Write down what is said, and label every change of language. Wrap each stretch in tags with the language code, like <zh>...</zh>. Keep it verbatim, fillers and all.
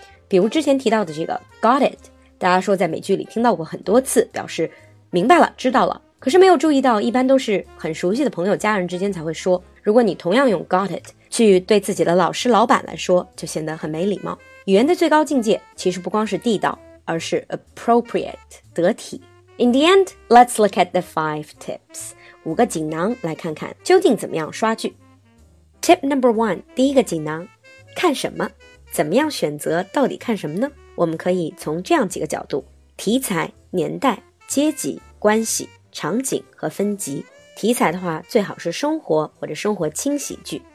<zh>比如之前提到的这个 got it， 大家说在美剧里听到过很多次，表示明白了，知道了，可是没有注意到，一般都是很熟悉的朋友、家人之间才会说。如果你同样用 got it去对自己的老师、老板来说，就显得很没礼貌。语言的最高境界其实不光是地道，而是 appropriate， 得体。</zh> <en>In the end, let's look at the five tips，</en> <zh>五个锦囊来看看究竟怎么样刷剧。</zh> <en>Tip number one，</en> <zh>第一个锦囊，看什么？怎么样选择到底看什么呢？我们可以从这样几个角度：题材、年代、阶级、关系、场景和分级。题材的话，最好是生活或者生活轻喜剧。</zh>